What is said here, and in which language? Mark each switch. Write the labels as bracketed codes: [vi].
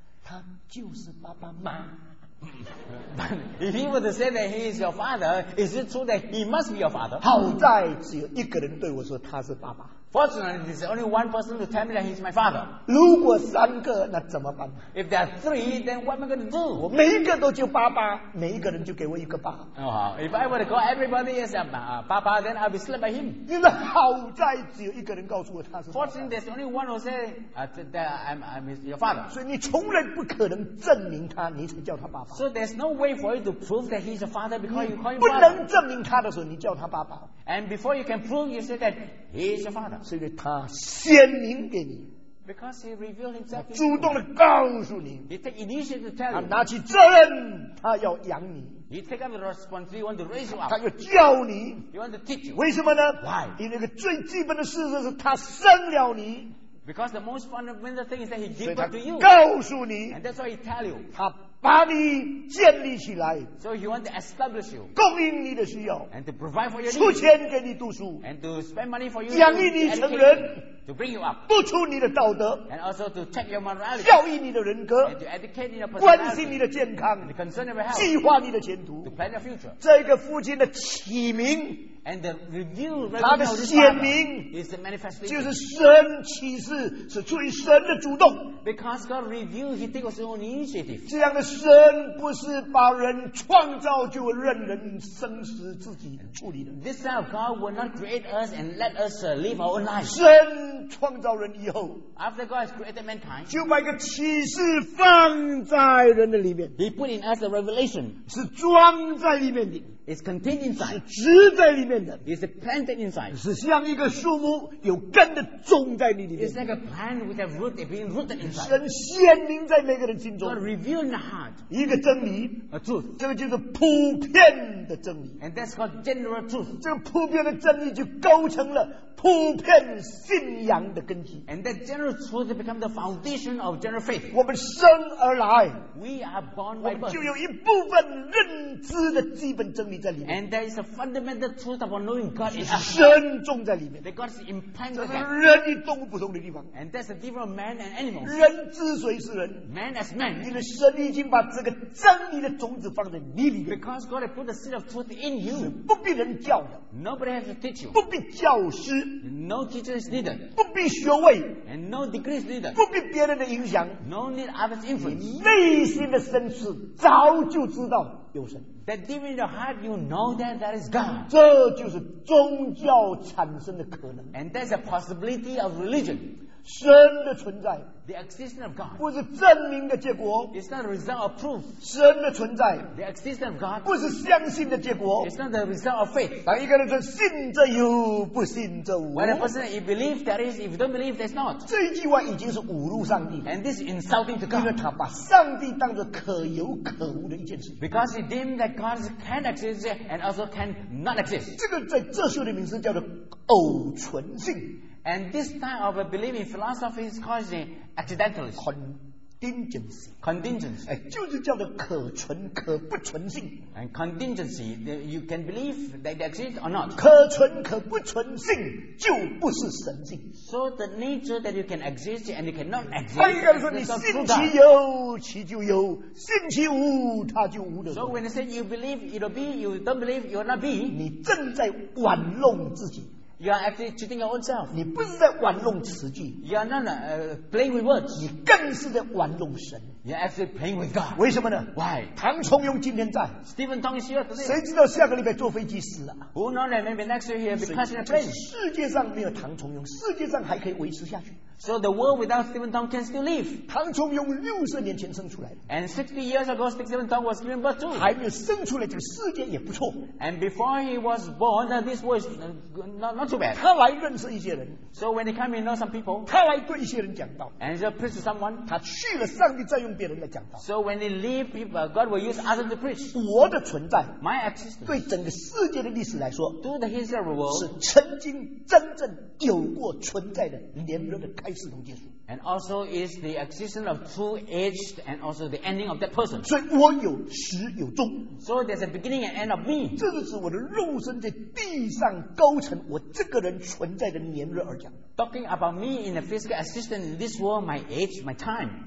[zh] 问题是他说他的爸爸,他是爸爸,他就是爸爸妈。 [en] But if he were to say that he is your father, is it true that he must be your father? [zh] 好在只有一个人对我说他是爸爸。 [en] Fortunately, there's only one person to tell me that he's my father. [zh] 如果三个, 那怎么办? [en] If there are three, then what am I going to do? [zh] 我每一个都叫爸爸, 每一个人就给我一个爸。 [en] Oh, if I were to call everybody as a papa, then I'll be slapped by him. [zh] 因为好在只有一个人告诉我他是爸爸。 [en] Fortunately, there's only one who says that I'm your father. [zh] 所以你从来不可能证明他, 你才叫他爸爸。 [en] So there's no way for you to prove that he's a father because you call him father. [zh] 不能证明他的时候, 你叫他爸爸。 [en] And before you can prove, you say that he is your father. [zh] 是因为他鲜明给你, [en] because he revealed himself. [zh] 主动地告诉你, [en] he take initiative to tell you. [zh] 他拿起责任, 他要养你, [en] he take up the responsibility, he want to raise you up. [zh] 他要教你, [en] he want to teach you. [zh] 为什么呢? [en] Why? [zh] 因为那个最基本的事实是, 他生了你, [en] because the most fundamental thing is that he gave birth to you. [zh] 告诉你, [en] and that's why he tell you. [zh] 把你建立起来, [en] so he want to establish you, [zh] 供应你的需要, [en] and to provide for your [zh] 出钱给你读书, [en] and to spend money for you, [zh] 养育你成人, [en] to bring you up, [zh] 督促你的道德, [en] and also to check your morality, [zh] 教育你的人格, [en] and to educate your [zh] personality, 关心你的健康, [en] and to concern your health, [zh] 计划你的前途, [en] to plan your future. [zh] 这个父亲的启明, [en] and the review, [zh] 他的显明, [en] is the manifestation, [zh] 就是神启示, 是出于神的主动, [en] because God revealed, he takes his own initiative. [zh] 这样的神不是把人创造就任人生死自己处理的, [en] this kind of God will not create us and let us live our own life. [zh] 神创造人以后, [en] after God has created mankind, [zh] 就把一个启示放在人的里面, [en] he put in us a revelation, [zh] 是装在里面的, [en] it's contained inside, [zh] 是植在里面的, [en] it's planted inside, [zh] 是像一个树木, 有根的种在你里面, [en] it's like a plant with a root, it's being rooted inside. [zh] 神显明在每个人心中, [en] God revealed in the heart, [zh] 一个真理, [en] a truth, [zh] 这个就是普遍的真理, [en] and that's called general truth. [zh] 这个普遍的真理就构成了普遍信仰的根基, [en] and that general truth becomes the foundation of general faith. [zh] 我们生而来, [en] we are born by birth, [zh] 我们就有一部分认知的基本真理, [en] and there is a fundamental truth about knowing God in us. [zh] 神种在里面, [en] that God is implanted. [zh] 这是人与动物不同的地方, [en] and that's the difference of man and animals. [zh] 人之所以是人, [en] man as man, [zh] 因为神已经把这个真理的种子放在你里面, [en] because God has put the seed of truth in you. [zh] 是不必人教的, [en] nobody has to teach you. [zh] 不必教师, [en] no teacher is needed. [zh] 不必学位, [en] and no degree is needed. [zh] 不必别人的影响, [en] no need others influence. [zh] 你内心的深处早就知道, [en] that deep in your heart you know that that is God. [zh] 这就是宗教产生的可能, [en] and that's a possibility of religion. [zh] 神的存在, [en] the existence of God, [zh] 不是证明的结果, [en] it's not a result of proof. [zh] 神的存在, [en] the existence of God, [zh] 不是相信的结果, [en] it's not a result of faith. [zh] 当一个人说信则有不信则无, [en] when a person if believe that is, if you don't believe that's not, [zh] 这一句话已经是侮辱上帝, [en] and this is insulting to God, [zh] 因为他把上帝当作可有可无的一件事, [en] because he to deem that God can exist and also can not exist. [zh] 这个在哲学的名字叫做偶存性。 [en] And this type of belief in philosophy is called accidentalism. Contingency. [zh] 就是叫做可存可不存性。 [en] And contingency, you can believe that they exist or not. [zh] 可存可不存性就不是神性。 [en] So the nature that you can exist and you cannot exist. [zh] 换言之说，你信其有，其就有；信其无，它就无的。 [en] So when they say you believe it'll be, you don't believe you'll not be. [zh] 你正在玩弄自己。 [en] You are actually cheating your own self. [zh] 你不是在玩弄词句。 [en] You are not playing with words. [zh] 你更是在玩弄神。 [en] You are actually playing with God. [zh] 为什么呢？ [en] Why? [zh] 唐崇庸今天在。 [en] Stephen Tong is here today. [zh] 谁知道下个礼拜坐飞机死了？ [en] Who knows that maybe next year he'll be crashing a plane? [zh] 世界上没有唐崇庸， 世界上还可以维持下去。 [en] So the world without Stephen Tong can still live. [zh] 唐崇庸60年前生出来的。 [en] And 60 years ago, Stephen Tong was given birth too. [zh] 还没有生出来，这个世界也不错。 [en] And before he was born, this world is not too bad. [zh] 他来认识一些人。 [en] So when he came, he knows some people. [zh] 他来对一些人讲道。 [en] And he preached to someone. [zh] 他去了，上帝再用别人来讲道。 [en] So when he leave people, God will use others to preach. [zh] 我的存在， [en] My existence. [zh] 对整个世界的历史来说， [en] To the history of the world. [zh] 是曾经真正有过存在的年轮的。 [en] And also is the existence of two aged and also the ending of that person. [zh] 所以我有始有终。 [en] So there's a beginning and end of me. [zh] 这就是我的肉身在地上构成我这个人存在的年日而讲。 [en] Talking about me in a physical existence in this world, my age, my time.